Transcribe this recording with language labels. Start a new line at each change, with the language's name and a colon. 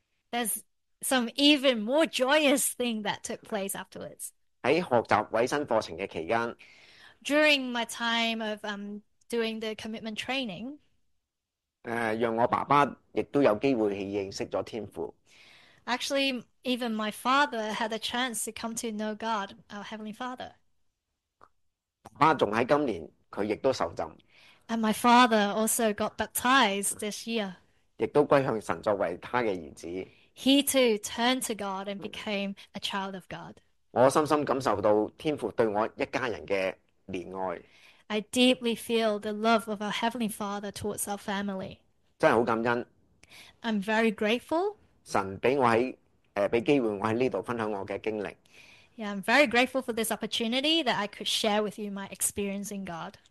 English: There's Some even more joyous thing that took place afterwards.
Cantonese: 喺学习委身课程嘅期间。
English: During my time of doing the commitment training,
Cantonese: 让我爸爸亦都有机会去认识咗天父。
English: Actually, even my father had a chance to come to know God, our Heavenly Father.
Cantonese: 爸仲喺今年，佢亦都受浸，
English: And my father also got baptized this year.
Cantonese: 亦都归向神作为他嘅儿子。
English: He too turned to God and became a child of God.
Cantonese: 我深深感受到天父对我一家人嘅怜爱，
English: I deeply feel the love of our Heavenly Father towards our family.
Cantonese: 真系好感恩。
English: I'm very grateful.
Cantonese: 神俾我喺俾机会我喺呢度分享我嘅经历。
English: Yeah, I'm very grateful for this opportunity that I could share with you my experience in God.